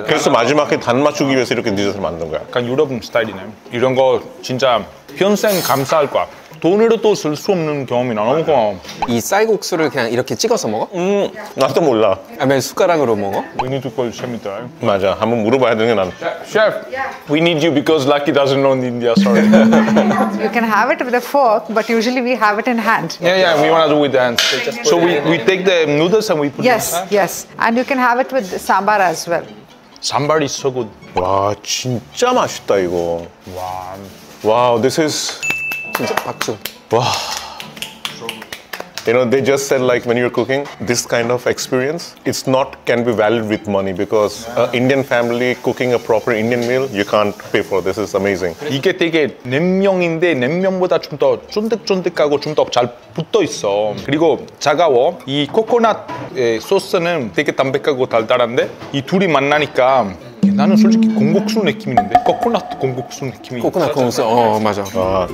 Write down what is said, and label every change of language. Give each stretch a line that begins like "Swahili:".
Korean: 그래서 마지막에 단맛 주기 위해서 이렇게 디저트를 만든 거야. 약간 유럽 스타일이네. 이런 거 진짜 평생 감사할 거야. 돈으로도 쓸 수 없는 경험이나. 너무 고마워. 이 쌀국수를 그냥 이렇게 찍어서 먹어? 나도 몰라. 아, 맨 숟가락으로 먹어?
English: We need to call Chef.
Korean: 맞아, 한번 물어봐야 되는 게 나.
English: Chef, we need you because Lucky doesn't know in India, sorry. You can have it with a fork, but usually we have it in hand. Yeah, yeah, we want to do with the hands. So we take the noodles and we put yes, it in hand. Yes, yes. And you can have it with sambar as well. Sambar is so good.
Korean: 와, 진짜 맛있다, 이거. 와.
English: Wow, this is...
Korean: 진짜 박수. 와.
English: You know, they just said like when you're cooking, this kind of experience, it's not can be valued with money because yeah. Indian family cooking a proper Indian meal, you can't pay for this. It's amazing.
Korean: 이게 되게 냉면인데 냉면보다 좀 더 쫀득쫀득하고 좀 더 잘 붙어 있어. 그리고 차가워. 이 코코넛 소스는 되게 담백하고 달달한데 이 둘이 만나니까. 나는 솔직히 공국수 느낌인데? 코코넛 공국수 느낌이 코코넛 공국수? 어, 맞아. 아,